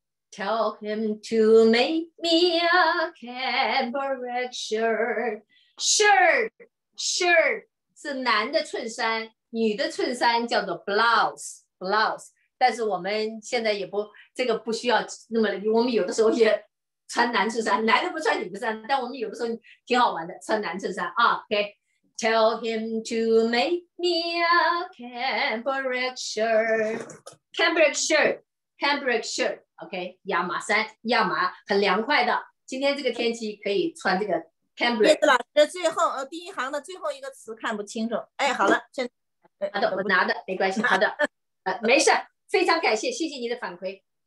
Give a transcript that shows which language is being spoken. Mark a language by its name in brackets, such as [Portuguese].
[English] tell him to make me a cambric shirt [Chinese] 是男的衬衫，女的衬衫叫做 blouse，但是我们现在也不，这个不需要那么，我们有的时候也穿男衬衫，男的不穿女的衫，但我们有的时候挺好玩的，穿男衬衫啊。 OK， [English] tell him to make me a cambric shirt， [Chinese] OK， 亚麻衫，亚麻很凉快的，今天这个天气可以穿这个 cambric。叶子老师，最后第一行的最后一个词看不清楚，哎，好了，现在。好的，我拿的，没关系，好的，没事，非常感谢，谢谢你的反馈。